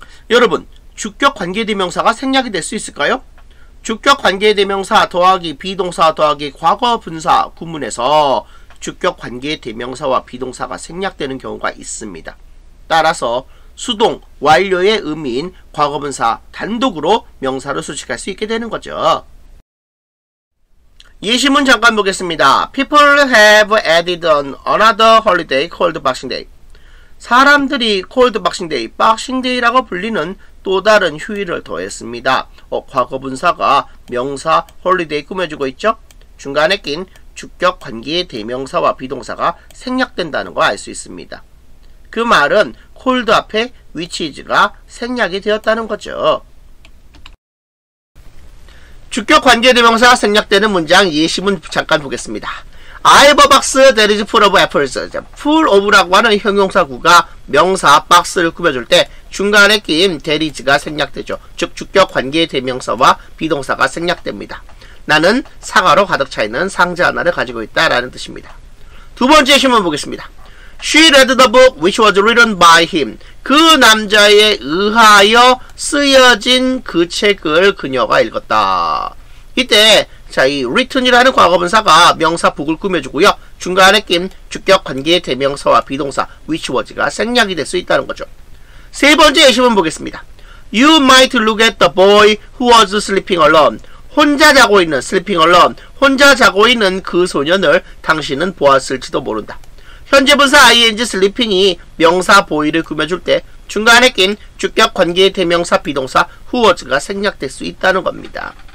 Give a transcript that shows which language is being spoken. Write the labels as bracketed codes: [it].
[ko] 여러분, 주격 관계 대명사가 생략이 될 수 있을까요? 주격 관계 대명사 더하기 비동사 더하기 과거 분사 구문에서 주격 관계 대명사와 비동사가 생략되는 경우가 있습니다. 따라서 수동, 완료의 의미인 과거분사 단독으로 명사를 수식할 수 있게 되는 거죠. 예시문 잠깐 보겠습니다. [en] People have added on another holiday called Boxing Day. [ko] 사람들이 [en] called Boxing Day, Boxing Day [ko] 라고 불리는 또 다른 휴일을 더했습니다. 과거분사가 명사 holiday 꾸며주고 있죠? 중간에 낀 주격 관계의 대명사와 비동사가 생략된다는 거 알 수 있습니다. 그 말은 called 앞에 which is가 생략이 되었다는 거죠. 주격 관계 대명사 생략되는 문장 예시문 잠깐 보겠습니다. [en] I have a box that is full of apples. [ko] full of라고 하는 형용사구가 명사 박스를 꾸며줄 때 중간에 낀 that is가 생략되죠. 즉 주격 관계 대명사와 비동사가 생략됩니다. 나는 사과로 가득 차 있는 상자 하나를 가지고 있다라는 뜻입니다. 두 번째 예시문 보겠습니다. [en] She read the book which was written by him. [ko] 그 남자에 의하여 쓰여진 그 책을 그녀가 읽었다. 이때 자, 이 written이라는 과거분사가 명사 book을 꾸며주고요. 중간에 낀 주격관계의 대명사와 비동사 which was가 생략이 될 수 있다는 거죠. 세 번째 예시문 보겠습니다. [en] You might look at the boy who was sleeping alone. [ko] 혼자 자고 있는 [en] sleeping alone. [ko] 혼자 자고 있는 그 소년을 당신은 보았을지도 모른다. 현재 분사 ing sleeping이 명사 boy를 꾸며줄 때 중간에 낀 주격 관계의 대명사 비동사 who was가 생략될 수 있다는 겁니다.